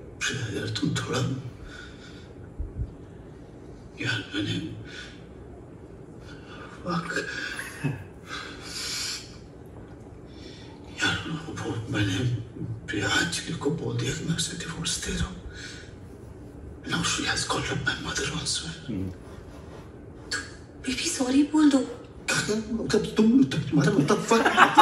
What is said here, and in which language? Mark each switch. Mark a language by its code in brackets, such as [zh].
[hi] अगर तुम थोड़ा यार मैंने fuck यार वो मैंने प्रिया जी को बोल दिया कि मैं उसे डिवोर्स दे रहा हूँ. [en] Now she has called up my mother also. [hi] तू बेबी सॉरी बोल दो. मतलब तुम तुम्हारा मतलब fuck.